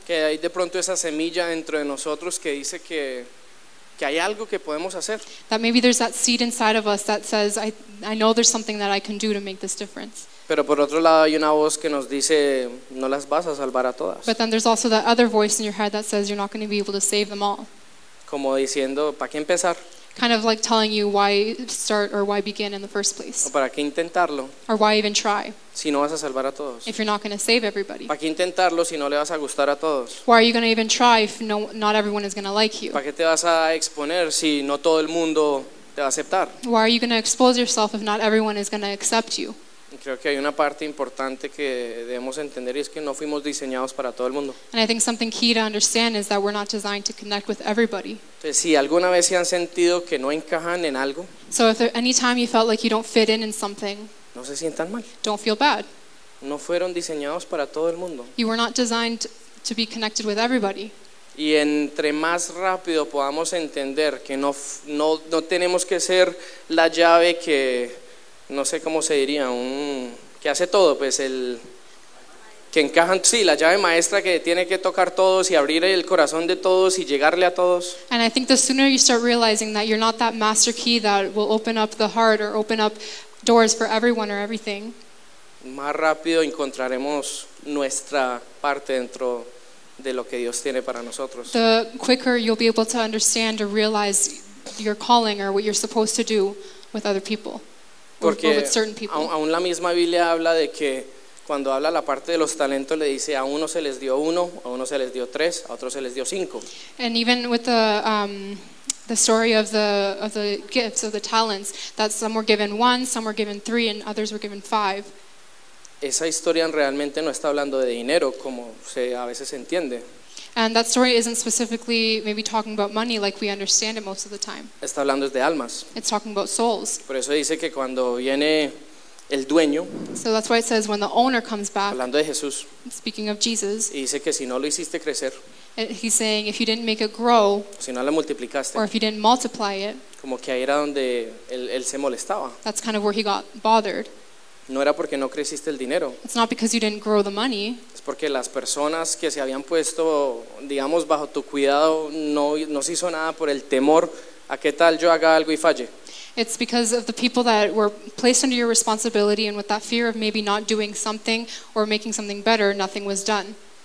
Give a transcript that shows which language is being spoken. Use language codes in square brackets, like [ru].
[es] Que hay de pronto esa semilla dentro de nosotros que dice que hay algo que podemos hacer. [en] That maybe there's that seed inside of us that says, I know there's something that I can do to make this difference. [es] Pero por otro lado hay una voz que nos dice, no las vas a salvar a todas. [en] But then there's also that other voice in your head that says you're not going to be able to save them all. [es] Como diciendo, ¿para qué empezar? [en] kind of like telling you why start or why begin in the first place. [es] ¿O para qué intentarlo? [en] Or why even try? [es] Si no vas a salvar a todos. [en] If you're not going to save everybody. [es] ¿Para qué intentarlo si no le vas a gustar a todos? [en] Why are you going to even try if no, not everyone is going to like you? [es] ¿Para qué te vas a exponer si no todo el mundo te va a aceptar? [en] Why are you going to expose yourself if not everyone is going to accept you? [es] Creo que hay una parte importante que debemos entender y es que no fuimos diseñados para todo el mundo. [en] And I think something key to understand is that we're not designed to connect with everybody. [es] Entonces, si alguna vez se han sentido que no encajan en algo, [en] so if there, anytime you felt like you don't fit in something, [es] no se sientan mal. [en] Don't feel bad. [es] No fueron diseñados para todo el mundo. [en] You were not designed to be connected with everybody. [es] Y entre más rápido podamos entender que no tenemos que ser la llave que no sé cómo se diría, que hace todo, pues el que encaja, sí, la llave maestra que tiene que tocar todos y abrir el corazón de todos y llegarle a todos. [en] And I think the sooner you start realizing that you're not that master key that will open up the heart or open up doors for everyone or everything, [es] más rápido encontraremos nuestra parte dentro de lo que Dios tiene para nosotros. [en] The quicker you'll be able to understand or realize your calling or what you're supposed to do with other people. [es] Porque aún la misma Biblia habla de que cuando habla la parte de los talentos le dice a uno se les dio uno, a uno se les dio tres, a otro se les dio cinco. [en] And even with the story of the gifts of the talents, that some were given one, some were given three, and others were given five. [es] Esa historia realmente no está hablando de dinero como se a veces entiende. [en] And that story isn't specifically maybe talking about money like we understand it most of the time. [es] Está hablando de almas. [en] It's talking about souls. [es] Por eso dice que cuando viene el dueño, [en] so that's why it says when the owner comes back, [es] hablando de Jesús, [en] speaking of Jesus, [es] y dice que si no lo hiciste crecer, [en] he's saying if you didn't make it grow, [es] si no lo multiplicaste, [en] or if you didn't multiply it, [es] como que ahí era donde él se molestaba. [en] That's kind of where he got bothered. [es] No era porque no creciste el dinero. [en] It's not because you didn't grow the money. [es] Es porque las personas que se habían puesto, digamos, bajo tu cuidado, no se hizo nada por el temor a qué tal yo haga algo y falle. [en] It's because of the people that were placed under your responsibility and with that fear of maybe not doing something or making something better, nothing was done.